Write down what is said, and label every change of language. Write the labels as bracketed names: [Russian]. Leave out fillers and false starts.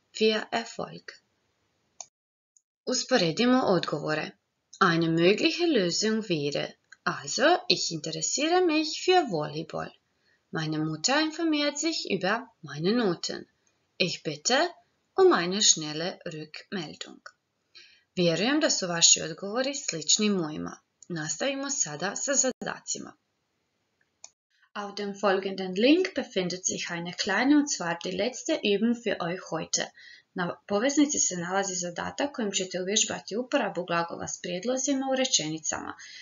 [German] Viel Erfolg! [Croatian] Usporedimo odgovore. [German] Eine mögliche Lösung wäre, also ich interessiere mich für Volleyball. Meine Mutter informiert sich über meine Noten. Ich bitte um eine schnelle Rückmeldung. [Croatian] Vjerujem da su vaši odgovori slični mojima. Nastavimo sada sa zadacima. [German] Auf dem folgenden Link befindet sich eine kleine und zwar die letzte Übung für euch heute. [Croatian] Na poveznici se nalazi zadatak kojim ćete uvježbati uporabu glagola s prijedlozima u rečenicama.